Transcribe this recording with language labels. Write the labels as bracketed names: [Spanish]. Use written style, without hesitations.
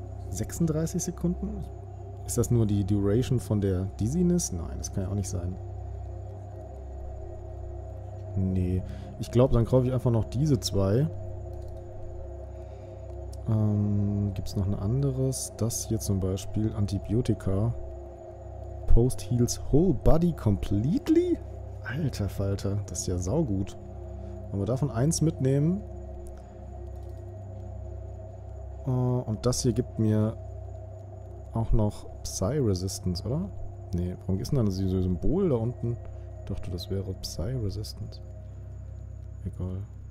[German] 36 Sekunden? Ist das nur die Duration von der Dizziness? Nein, das kann ja auch nicht sein. Nee. Ich glaube, dann kaufe ich einfach noch diese zwei. Gibt es noch ein anderes? Das hier zum Beispiel. Antibiotika. [English] Post heals whole body completely? [German] Alter Falter, das ist ja saugut. Wollen wir davon eins mitnehmen? Und das hier gibt mir auch noch Psy-Resistance, oder? Nee, warum ist denn da so ein Symbol da unten? Ich dachte, das wäre Psy-Resistance. Egal.